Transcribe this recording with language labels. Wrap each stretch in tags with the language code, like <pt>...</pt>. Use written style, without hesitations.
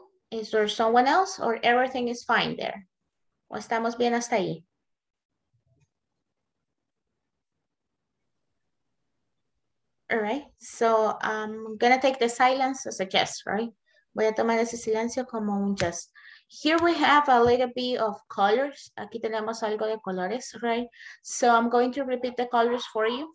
<en>Is there someone else or everything is fine there?</en> <es>¿O estamos bien hasta ahí?</es> <en>All right, so I'm gonna take the silence as a yes, right?</en> <es>Voy a tomar ese silencio como un just.</es> <en>Here we have a little bit of colors.</en> <es>Aquí tenemos algo de colores,</es> <en>right? So I'm going to repeat the colors for you.</en>